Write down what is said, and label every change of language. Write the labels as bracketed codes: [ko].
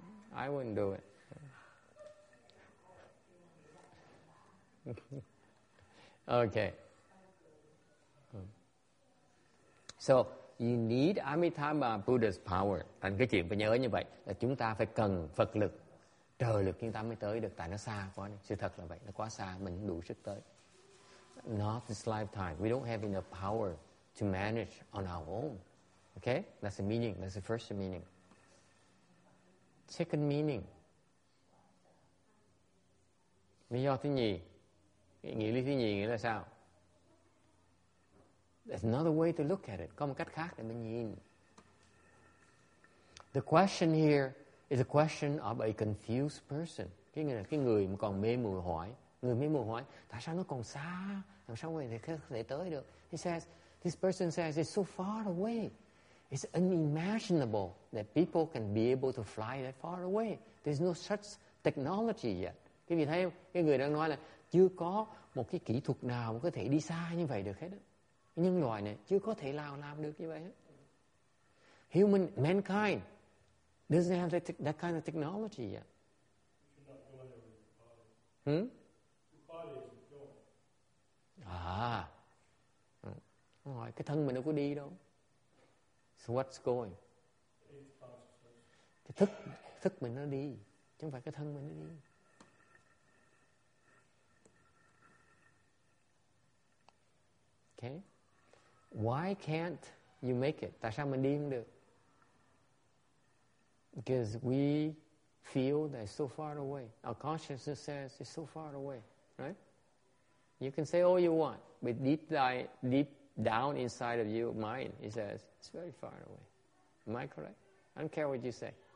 [en] I wouldn't do it. Okay. So you need Amitabha Buddha's power. [vi] Anh cái chuyện phải nhớ như vậy là chúng ta phải cần Phật lực, trời lực chúng ta mới tới được, tại nó xa quá. Sự thật là vậy, nó quá xa, mình không đủ sức tới. [en] Not this lifetime. We don't have enough power to manage on our own. Okay? That's the meaning. That's the first meaning. Second meaning. [vi] Lý do thứ nhì. Nghĩa lý thứ nhì nghĩa là sao? [en] There's another way to look at it. [vi] Có một cách khác để mình nhìn. [en] The question here is a question of a confused person. [vi] Cái người mà còn mê muội hỏi. Người mê muội hỏi, tại sao nó còn xa? Làm sao người có thể tới được? [en] He says, this person says, it's so far away. It's unimaginable that people can be able to fly that far away. There's no such technology yet. [vi] Cái vị thấy không? Cái người đang nói là chưa có một cái kỹ thuật nào mà có thể đi xa như vậy được hết đó. Nhân loại này chưa có thể nào làm được như vậy hết. [en] Human, mankind doesn't have that kind of technology yet. [vi] Cái thân mình nó có đi đâu. [en] So what's going? [vi] Cái thức mình nó đi, chứ không phải cái thân mình nó đi. [en] Okay. Why can't you make it? [vi] Tại sao mình đi không được? [en] Because we feel that it's so far away. Our consciousness says it's so far away, right? You can say all you want, but deep down inside of your mind, it says it's very far away. Am I correct? I don't care what you say.